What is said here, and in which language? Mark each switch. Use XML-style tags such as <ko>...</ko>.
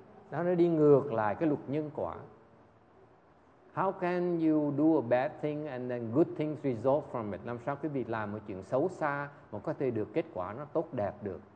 <vi>Đó nó đi ngược lại cái luật nhân quả.</vi> <en>How can you do a bad thing and then good things result from it?</en> <vi>Làm sao quý vị làm một chuyện xấu xa mà có thể được kết quả nó tốt đẹp được?</vi>